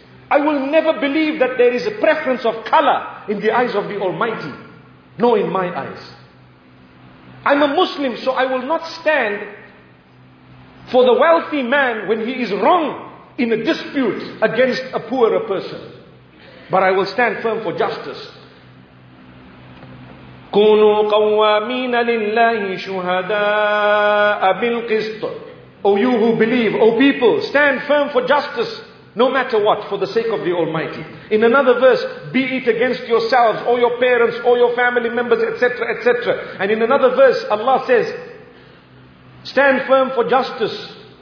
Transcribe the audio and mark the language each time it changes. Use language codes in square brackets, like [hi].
[en] I will never believe that there is a preference of color in the eyes of the Almighty, nor in my eyes. I'm a Muslim, so I will not stand for the wealthy man when he is wrong in a dispute against a poorer person. But I will stand firm for justice. [ar] كونوا قوامين لله شهداء بالقسط. [en] O you who believe, O people, stand firm for justice, no matter what, for the sake of the Almighty. In another verse, be it against yourselves or your parents or your family members, etc., etc. And in another verse, Allah says, stand firm for justice.